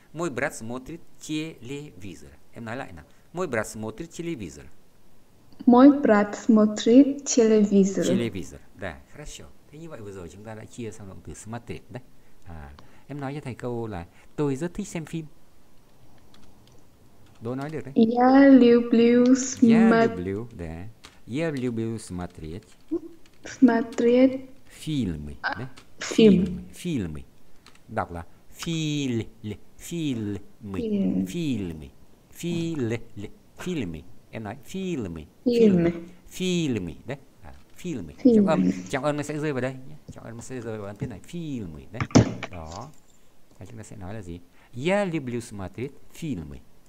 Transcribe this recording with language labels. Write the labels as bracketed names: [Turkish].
[Russian] Мой брат смотрит телевизор. [Vietnamese] Em nói lại nào. [Russian] Мой брат смотрит телевизор. Мой брат смотрит телевизор. Телевизор. Да, хорошо. [Vietnamese] Thế như vậy vừa rồi chúng ta đã chia xong động từ смотреть. [Russian] Да? [Vietnamese] Em nói cho thầy câu là tôi rất thích xem phim. Đố nói được đấy. [Russian] Я люблю смотреть. Да. Я люблю смотреть фильмы, да? Фильм. Фильмы. Так, да. Фильмы. Фильмы. Фильмы. Фильмы. Фильмы. Фильмы. Фильмы. Фильмы. Фильмы. Да? Фильмы. [Vietnamese] Trọng âm. Trọng âm nó sẽ rơi vào đây nhé. Trọng âm nó sẽ rơi vào âm tiết này. [Russian] Фильмы. Да? [Vietnamese] Đó. Thế chúng ta sẽ nói là gì? [Russian] Я люблю смотреть фильмы.